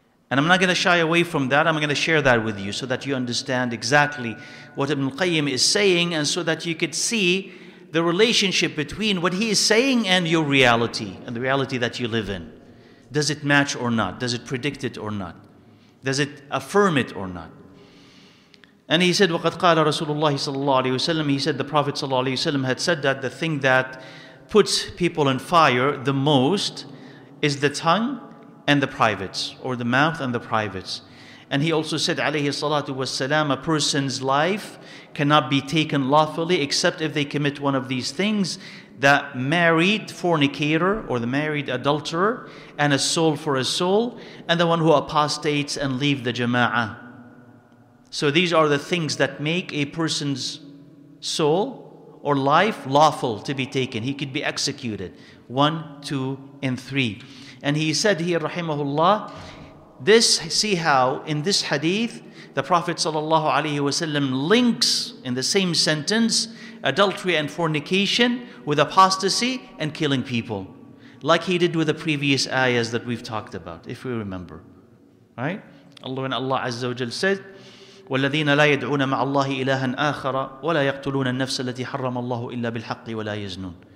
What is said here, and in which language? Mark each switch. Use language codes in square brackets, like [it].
[en] And I'm not going to shy away from that. I'm going to share that with you so that you understand exactly what Ibn al-Qayyim is saying, and so that you could see the relationship between what he is saying and your reality and the reality that you live in. Does it match or not? Does it predict it or not? Does it affirm it or not? And he said, [ar] وَقَدْ قَالَ رَسُولُ اللَّهِ صَلَّى اللَّهُ عَلَيْهِ وَسَلَّمَ. [en] He said the Prophet صَلَّى اللَّهُ عَلَيْهِ وَسَلَّمَ had said that the thing that puts people in fire the most is the tongue and the privates, or the mouth and the privates. And he also said, عَلَيْهِ صَلَّى وَسَلَّمَ, a person's life cannot be taken lawfully except if they commit one of these things: that married fornicator or the married adulterer, and a soul for a soul, and the one who apostates and leave the jama'ah. So these are the things that make a person's soul or life lawful to be taken. He could be executed. 1, 2, and 3. And he said here, rahimahullah, this, see how in this hadith, the Prophet sallallahu alaihi wasallam links in the same sentence adultery and fornication with apostasy and killing people, like he did with the previous ayahs that we've talked about, if we remember. Right? Allah, and Allah Azza wa Jal said, [ar] وَالَّذِينَ لَا يَدْعُونَ مَعَ اللَّهِ إِلَٰهًا آخَرَ وَلَا يَقْتُلُونَ النَّفْسَ الَّتِي حَرَّمَ اللَّهُ إِلَّا بِالْحَقِّ وَلَا يَزْنُونَ.